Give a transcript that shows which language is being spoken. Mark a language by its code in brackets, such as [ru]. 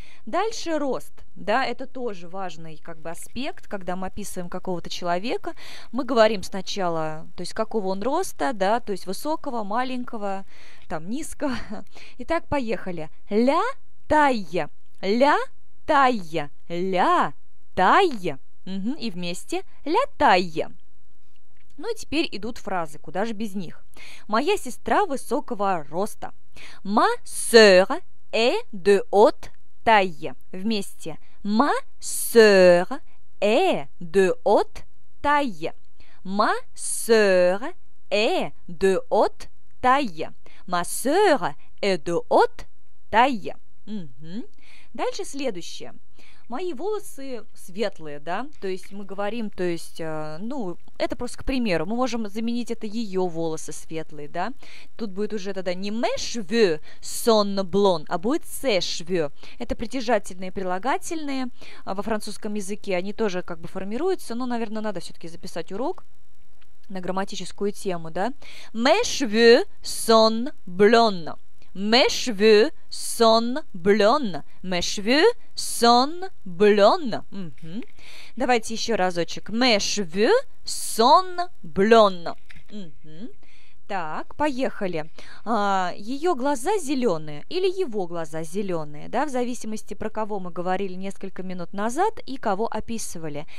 [ru] Дальше рост, да, это тоже важный как бы аспект, когда мы описываем какого-то человека, мы говорим сначала, то есть какого он роста, да, то есть высокого, маленького, там низкого. Итак, поехали. [fr] La taille. La taille. La taille. [ru] Угу, и вместе [fr] «la taille». [ru] Ну и теперь идут фразы, куда же без них. «Моя сестра высокого роста». [fr] «Ma sœur est de haute taille». [ru] Вместе [fr] «ma sœur est de haute taille». «Ma sœur est de haute taille». «Ma sœur est de haute taille». [ru] Угу. Дальше следующее. Мои волосы светлые, да, то есть мы говорим, то есть, ну, это просто к примеру, мы можем заменить это ее волосы светлые, да. Тут будет уже тогда не [fr] mes cheveux sont blonds, [ru] а будет [fr] ses cheveux. [ru] Это притяжательные и прилагательные во французском языке, они тоже как бы формируются, но, наверное, надо все-таки записать урок на грамматическую тему, да. [fr] Mes cheveux sont blonds. Mes cheveux sont blonds. Mes cheveux sont blonds. [ru] Угу. Давайте еще разочек. [fr] Mes cheveux sont blonds. [ru] Угу. Так, поехали. Ее глаза зеленые или его глаза зеленые, да, в зависимости, про кого мы говорили несколько минут назад и кого описывали.